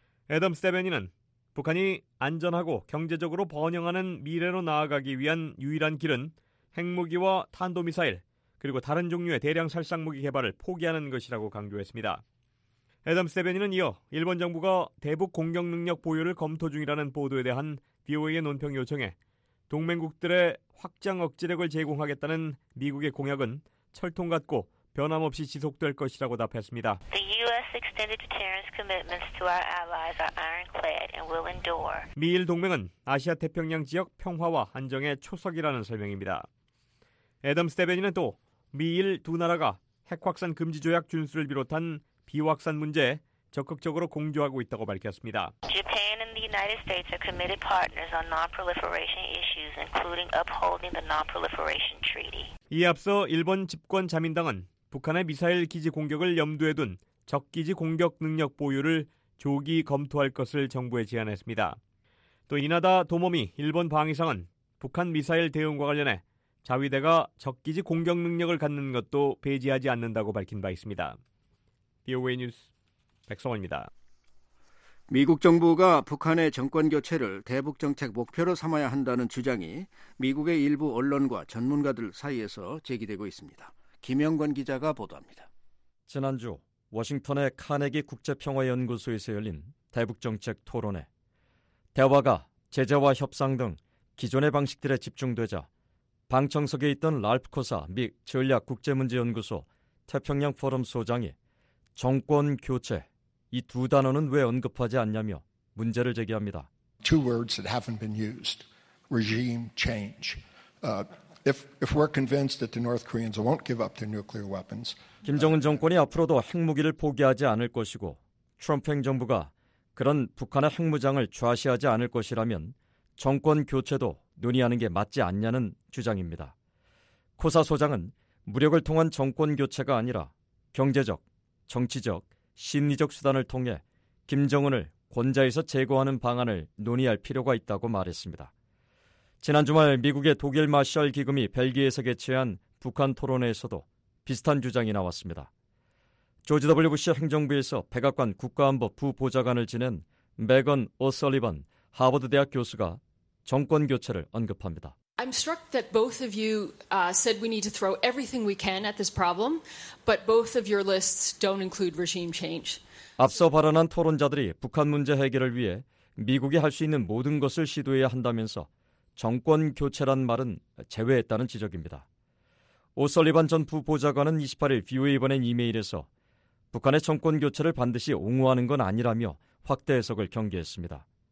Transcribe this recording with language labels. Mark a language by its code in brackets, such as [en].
[ko] 애덤스 대변인은 북한이 안전하고 경제적으로 번영하는 미래로 나아가기 위한 유일한 길은 핵무기와 탄도미사일 그리고 다른 종류의 대량 살상무기 개발을 포기하는 것이라고 강조했습니다. 애덤스 대변인은 이어 일본 정부가 대북 공격 능력 보유를 검토 중이라는 보도에 대한 BOA의 논평 요청에 동맹국들의 확장 억제력을 제공하겠다는 미국의 공약은 철통 같고 변함없이 지속될 것이라고 답했습니다. [en] The U.S. extended deterrence commitments to our allies are ironclad and will endure. [ko] 미일 동맹은 아시아 태평양 지역 평화와 안정의 초석이라는 설명입니다. 애덤스 대변인은 또 미일 두 나라가 핵확산 금지 조약 준수를 비롯한 비확산 문제에 적극적으로 공조하고 있다고 밝혔습니다. [en] Japan and the United States are committed partners on non-proliferation issues, including upholding the non-proliferation treaty. [ko] 이에 앞서 일본 집권 자민당은 북한의 미사일 기지 공격을 염두에 둔 적기지 공격 능력 보유를 조기 검토할 것을 정부에 제안했습니다. 또 이나다 도모미 일본 방위상은 북한 미사일 대응과 관련해 자위대가 적기지 공격 능력을 갖는 것도 배제하지 않는다고 밝힌 바 있습니다. BOA 뉴스 백성원입니다. 미국 정부가 북한의 정권교체를 대북정책 목표로 삼아야 한다는 주장이 미국의 일부 언론과 전문가들 사이에서 제기되고 있습니다. 김영권 기자가 보도합니다. 지난주 워싱턴의 카네기 국제평화연구소에서 열린 대북정책 토론회. 대화가 제재와 협상 등 기존의 방식들에 집중되자 방청석에 있던 랄프 코사 미 전략국제문제연구소 태평양 포럼 소장이 정권교체 이 두 단어는 왜 언급하지 않냐며 문제를 제기합니다. [en] Two words that haven't been used. Regime change. If we're convinced that the North Koreans won't give up their nuclear weapons. [ko] 김정은 정권이 앞으로도 핵무기를 포기하지 않을 것이고 트럼프 행정부가 그런 북한의 핵무장을 좌시하지 않을 것이라면 정권 교체도 논의하는 게 맞지 않냐는 주장입니다. 코사 소장은 무력을 통한 정권 교체가 아니라 경제적, 정치적 심리적 수단을 통해 김정은을 권좌에서 제거하는 방안을 논의할 필요가 있다고 말했습니다. 지난 주말 미국의 독일 마샬 기금이 벨기에에서 개최한 북한 토론회에서도 비슷한 주장이 나왔습니다. 조지 W. 부시 행정부에서 백악관 국가안보 부보좌관을 지낸 매건 오설리번 하버드대학 교수가 정권교체를 언급합니다. [en] I'm struck that both of you said we need to throw everything we can at this problem, but both of your lists don't include regime change. [ko] 앞서 발언한 토론자들이 북한 문제 해결을 위해 미국이 할 수 있는 모든 것을 시도해야 한다면서 정권 교체란 말은 제외했다는 지적입니다. 오설리반 전 부보좌관은 28일 VOA에 보낸 이메일에서 북한의 정권 교체를 반드시 옹호하는 건 아니라며 확대 해석을 경계했습니다.